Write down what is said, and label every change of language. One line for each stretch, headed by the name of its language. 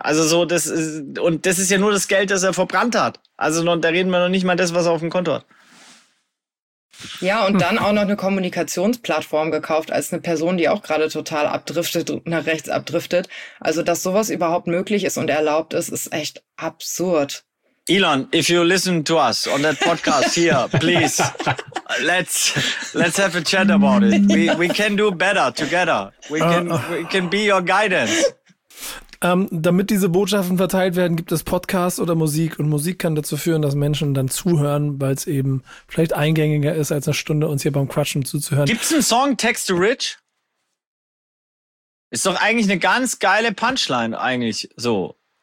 German: Also so, das ist, und das ist ja nur das Geld, das er verbrannt hat. Also da reden wir noch nicht mal das, was er auf dem Konto hat. Ja, und dann auch noch eine Kommunikationsplattform gekauft als eine Person, die auch gerade total abdriftet, nach rechts abdriftet. Also, dass sowas überhaupt möglich ist und erlaubt ist, ist echt absurd.
English: Elon, if you listen to us on that podcast here, please, let's have a chat about it. We can do better together. We can be your guidance.
German: Damit diese Botschaften verteilt werden, gibt es Podcasts oder Musik. Und Musik kann dazu führen, dass Menschen dann zuhören, weil es eben vielleicht eingängiger ist, als eine Stunde uns hier beim Quatschen zuzuhören. Gibt's einen Song Text to Rich? Ist doch eigentlich eine ganz geile Punchline eigentlich so.